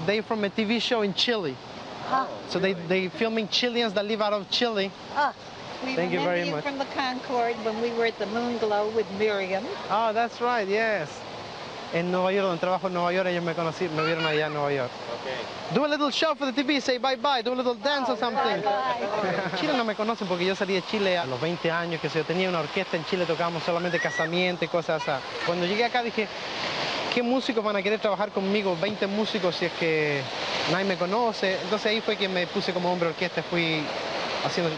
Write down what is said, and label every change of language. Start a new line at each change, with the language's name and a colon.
English: They from a TV show in Chile. Oh, so really? they filming Chileans that live out of Chile. Thank you very much. We remember you from the Concord when we were at the Moon Glow with Miriam. Oh, that's right. Yes.
Spanish: En Nueva York, donde trabajo en Nueva York, ellos me conocieron, me vieron allá en Nueva York.
English: Okay. Do a little show for the TV, say bye bye, do a little dance or something. Bye.
Spanish: Chile no me conocen porque yo salí de Chile a los 20 años, que si yo tenía una orquesta en Chile, tocábamos solamente casamiento y cosas así. Cuando llegué acá dije, ¿qué músicos van a querer trabajar conmigo? 20 músicos si es que nadie me conoce. Entonces ahí fue que me puse como hombre orquesta, fui haciendo.